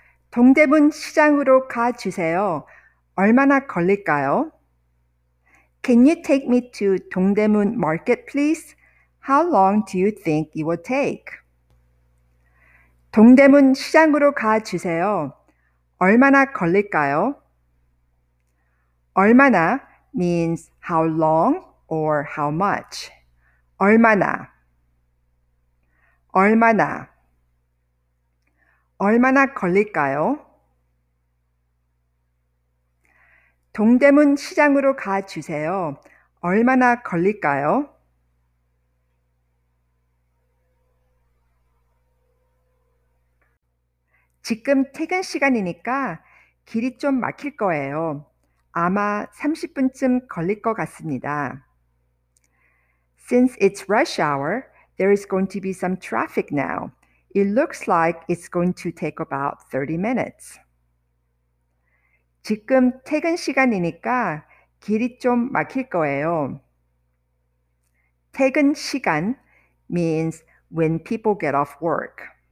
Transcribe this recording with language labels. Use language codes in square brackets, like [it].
[ko] 동대문 시장으로 가주세요. 얼마나 걸릴까요? [en] Can you take me to 동대문 market, please? How long do you think it will take? [ko] 동대문 시장으로 가주세요. 얼마나 걸릴까요? [en] 얼마나 means how long or how much. [ko] 얼마나, 얼마나, 얼마나 걸릴까요? 동대문 시장으로 가주세요. 얼마나 걸릴까요? 지금 퇴근 시간이니까 길이 좀 막힐 거예요. 아마 30분쯤 걸릴 것 같습니다. [en] Since it's rush hour, there is going to be some traffic now. It looks like it's going to take about 30 minutes. [ko] 지금 퇴근 시간이니까 길이 좀 막힐 거예요. [en] 퇴근 시간 means when people get off work.